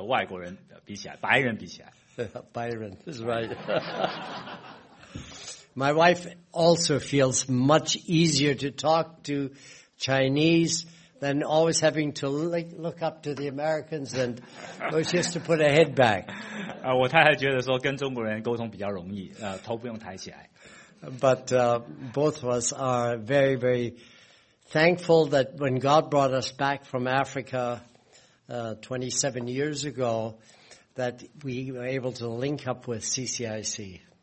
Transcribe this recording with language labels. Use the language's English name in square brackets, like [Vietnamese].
[Chinese] 我觉得更自在跟中国人在一起，与那个外国人比起来，白人比起来。白人 [English] is right. My wife also feels much easier to talk to Chinese than always having to look up to the Americans and she has to put her head back. [Chinese] 我太太觉得说跟中国人沟通比较容易，头不用抬起来。 [English] But both of us are very, very thankful that when God brought us back from Africa 27 years ago, that we were able to link up with CCIC.